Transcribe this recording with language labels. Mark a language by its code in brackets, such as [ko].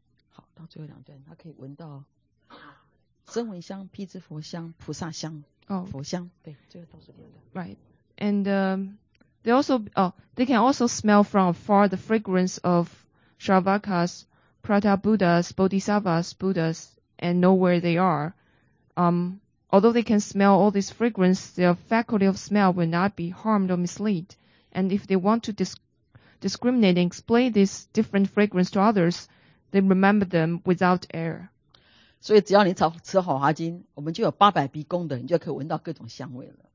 [zh] 好，到最后两段，他可以闻到声闻香、辟支佛香、菩萨香、佛香，对，这个都是有的。 [en] Right. And they can also smell from afar the fragrance of Shravakas, Pratabuddhas, Bodhisattvas, Buddhas, and know where they are. Although they can smell all this fragrance, their faculty of smell will not be harmed or misled. And if they want to discriminate and explain this different fragrance to others, they remember them without error. [zh] 所以只要你吃好华经，我们就有八百鼻功德，你就可以闻到各种香味了。